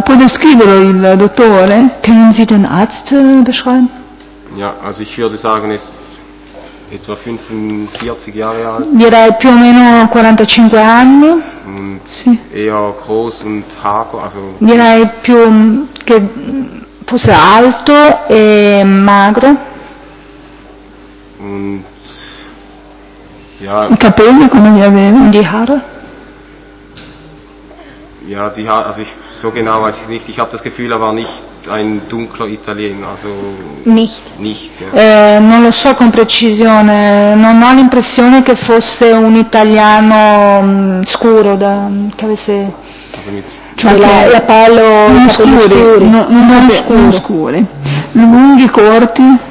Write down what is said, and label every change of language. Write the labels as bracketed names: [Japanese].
[Italian] Può descriverlo il dottore? [German] Können Sie den Arzt beschreiben? Ja, also ich würde sagen, es etwa 45 Jahre alt. [Italian] Direi più o meno 45 anni. Sì. [German] Eher groß und hago, also [Italian] direi più che fosse alto e magro. [German] Und ja, [Italian] i capelli come li aveva? [German] Die Haare? Ja, die Haare, also ich, so genau weiß ich nicht. Ich habe das Gefühl, er war nicht ein dunkler Italiener, also nicht. Nicht, ja. [Italian] Non lo so con precisione, non ho l'impressione che fosse un italiano scuro, da, che avesse [German] also mit, [Italian] cioè okay. La pelle scura, non scure. Lunghi, corti,